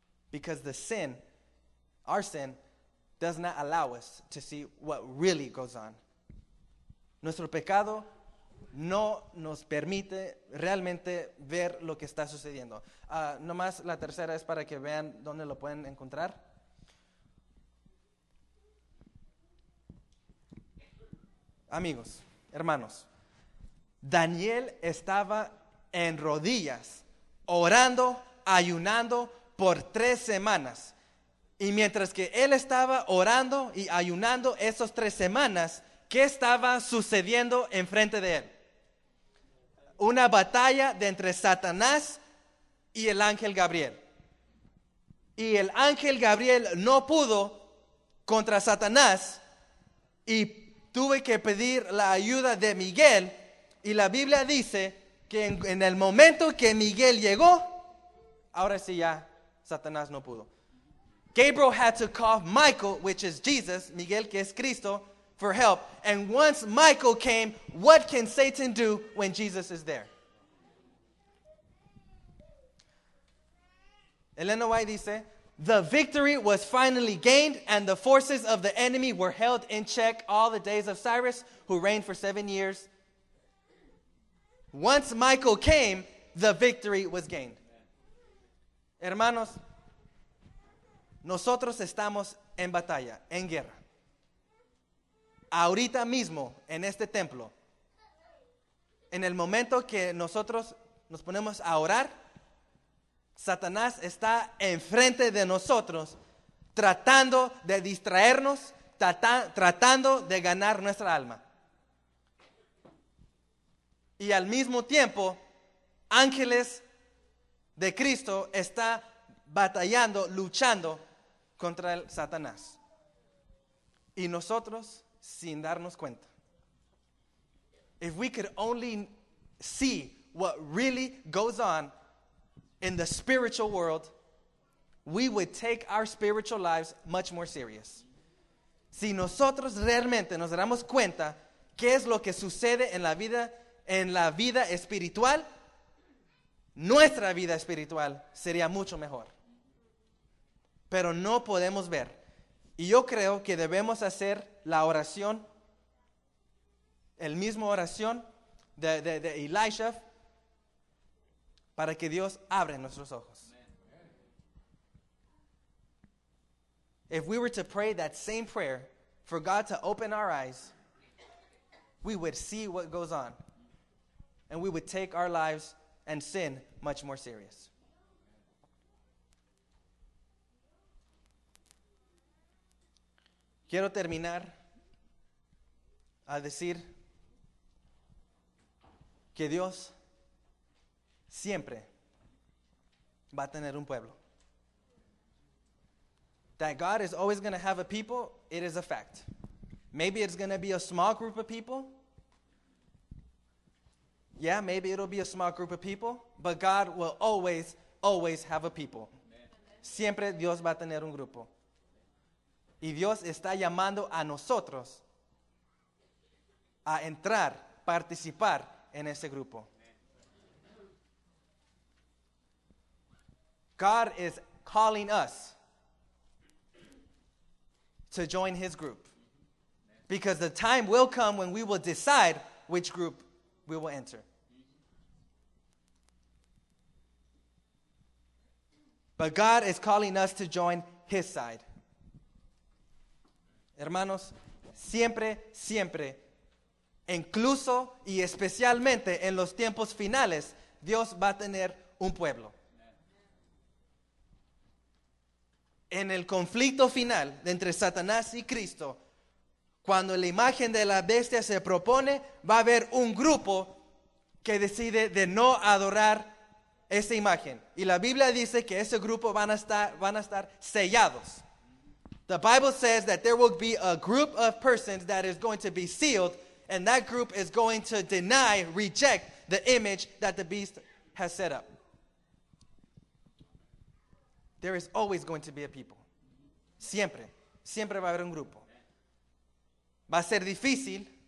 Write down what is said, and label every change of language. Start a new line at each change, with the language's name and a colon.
English: because the sin, our sin, does not allow us to see what really goes on.
Spanish: Nuestro pecado no nos permite realmente ver lo que está sucediendo. Nomás la tercera es para que vean dónde lo pueden encontrar. Amigos, hermanos, Daniel estaba en rodillas, orando, ayunando por 3 semanas. Y mientras que él estaba orando y ayunando esas 3 semanas, ¿qué estaba sucediendo enfrente de él? Una batalla de entre Satanás y el ángel Gabriel. Y el ángel Gabriel no pudo contra Satanás y tuve que pedir la ayuda de Miguel. Y la Biblia dice que en el momento que Miguel llegó, ahora sí ya Satanás no pudo.
English: Gabriel had to call Michael, which is Jesus,
Spanish: Miguel que es Cristo,
English: for help. And once Michael came, what can Satan do when Jesus is there?
Spanish: Elena White dice,
English: the victory was finally gained and the forces of the enemy were held in check all the days of Cyrus, who reigned for 7 years. Once Michael came, the victory was gained.
Spanish: Hermanos, nosotros estamos en batalla, en guerra. Ahorita mismo, en este templo, en el momento que nosotros nos ponemos a orar, Satanás está enfrente de nosotros, tratando de distraernos, tratando de ganar nuestra alma. Y al mismo tiempo, ángeles de Cristo está batallando, luchando contra el Satanás. Y nosotros, sin darnos cuenta.
English: If we could only see what really goes on in the spiritual world, we would take our spiritual lives much more serious.
Spanish: Si nosotros realmente nos damos cuenta qué es lo que sucede en la vida espiritual, nuestra vida espiritual sería mucho mejor. Pero no podemos ver. Y yo creo que debemos hacer la oración, el mismo oración de Elisha, para que Dios abra nuestros ojos. Amen.
English: If we were to pray that same prayer for God to open our eyes, we would see what goes on. And we would take our lives and sin much more serious.
Spanish: Quiero terminar a decir que Dios siempre va a tener un pueblo.
English: That God is always going to have a people, it is a fact. Maybe it's going to be a small group of people. Yeah, maybe it'll be a small group of people, but God will always, always have a people. Amen.
Spanish: Siempre Dios va a tener un grupo. Y Dios está llamando a nosotros a entrar, participar en ese grupo.
English: God is calling us to join his group. Because the time will come when we will decide which group we will enter. But God is calling us to join his side.
Spanish: Hermanos, siempre, siempre, incluso y especialmente en los tiempos finales, Dios va a tener un pueblo. En el conflicto final entre Satanás y Cristo, cuando la imagen de la bestia se propone, va a haber un grupo que decide de no adorar esa imagen. Y la Biblia dice que ese grupo van a estar sellados.
English: The Bible says that there will be a group of persons that is going to be sealed, and that group is going to deny, reject the image that the beast has set up. There is always going to be a people.
Spanish: Siempre. Siempre va a haber un grupo. Va a ser difícil.